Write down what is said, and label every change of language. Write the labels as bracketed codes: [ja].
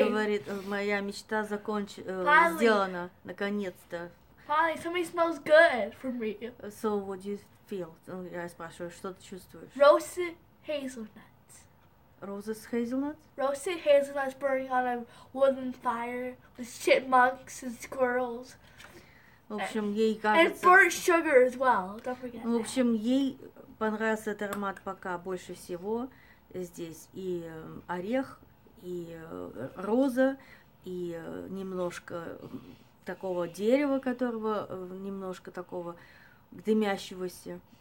[ru] Она говорит, моя мечта сделана. Наконец-то. [en] Finally, somebody smells good for me. So, what do you feel? [ru] Я спрашиваю, что ты чувствуешь? [en] Roasted hazelnut. Roses hazelnuts? Roasted hazelnuts burning on a wooden fire with chipmunks and squirrels. [ru] В общем, ей кажется... [en] And burnt sugar as well, don't forget that. [ru] В общем, ей понравился этот аромат пока больше всего. Здесь и орех, и роза, и немножко такого дерева, которого немножко такого дымящегося.